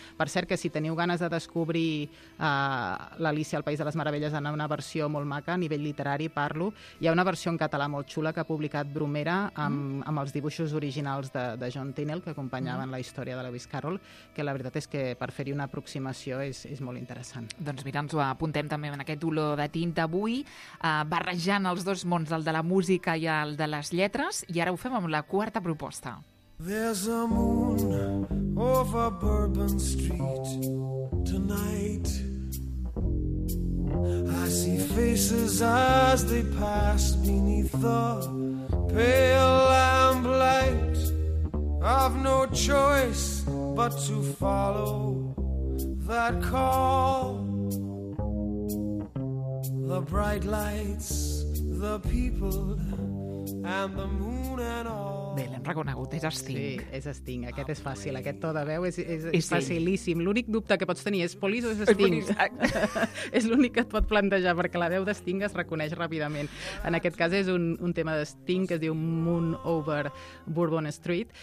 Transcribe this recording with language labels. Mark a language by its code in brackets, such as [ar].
[ca] Per cert, que si teniu ganes de descobrir l'Alícia al País de les Meravelles en una versió molt maca, a nivell literari parlo, hi ha una versió en català molt xula que ha publicat Bromera amb els dibuixos originals de John Tinnell, que acompanyaven la història de Lewis Carroll, que la veritat és que per fer-hi una aproximació és molt interessant. Doncs mira, ens ho apuntem també en aquest olor de tinta avui, barrejant els dos mons, el de la música i el de les lletres, i ara ho fem amb la quarta proposta. [en] There's a moon over Bourbon Street tonight. I see faces as they pass beneath the pale lamplight. I've no choice but to follow that call. The bright lights, the people, and the moon and all. [ca] Bé, l'hem reconegut, és Sting. Sí, és Sting, aquest és fàcil, aquest to de veu és facilíssim. L'únic dubte que pots tenir és Polis o és Sting? És l'únic que et pot plantejar, perquè la veu de Sting es reconeix ràpidament. En aquest cas és un tema de Sting que es diu Moon Over Bourbon Street.